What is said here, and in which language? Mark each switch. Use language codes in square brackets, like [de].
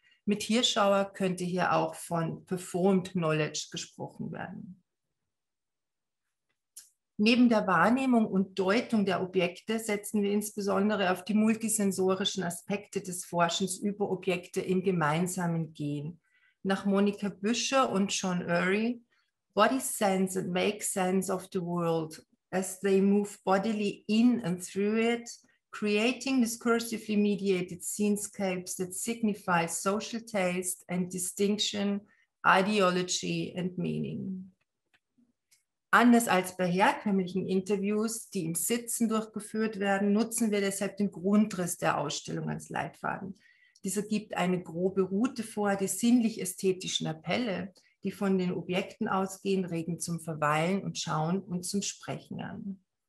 [de] Mit Hirschauer könnte hier auch von Performed Knowledge gesprochen werden. Neben der Wahrnehmung und Deutung der Objekte setzen wir insbesondere auf die multisensorischen Aspekte des Forschens über Objekte im gemeinsamen Gehen. [en] Nach Monika Büscher und John Urry, Body Sense and Make Sense of the World as they move bodily in and through it, creating discursively mediated scenescapes that signify social taste and distinction, ideology and meaning. [de] Anders als bei herkömmlichen Interviews, die im Sitzen durchgeführt werden, nutzen wir deshalb den Grundriss der Ausstellung als Leitfaden. Dieser gibt eine grobe Route vor, die sinnlich-ästhetischen Appelle, die von den Objekten ausgehen, regen zum Verweilen und Schauen und zum Sprechen an.